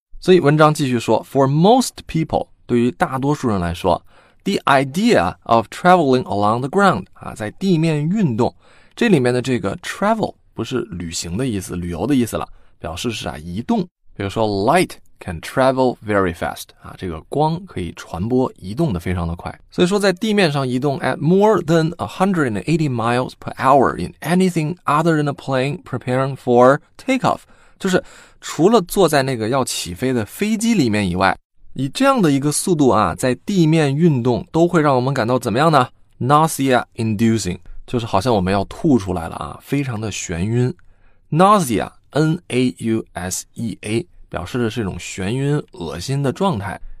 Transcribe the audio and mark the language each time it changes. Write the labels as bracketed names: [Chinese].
[Chinese] 所以文章继续说 , [English] For most people, [Chinese] 对于大多数人来说 , [English] the idea of traveling along the ground, [Chinese] 啊，在地面运动，这里面的这个 travel 不是旅行的意思，旅游的意思了，表示是啊移动。比如说 light [English] can travel very fast. [Chinese] 啊，这个光可以传播，移动的非常的快。所以说在地面上移动 [English] at more than 180 miles per hour in anything other than a plane preparing for takeoff. [Chinese] 就是除了坐在那个要起飞的飞机里面以外，以这样的一个速度啊，在地面运动都会让我们感到怎么样呢？ [English] Nausea inducing， [Chinese] 就是好像我们要吐出来了啊，非常的眩晕。 Nausea N-A-U-S-E-A 表示的是一种眩晕恶心的状态。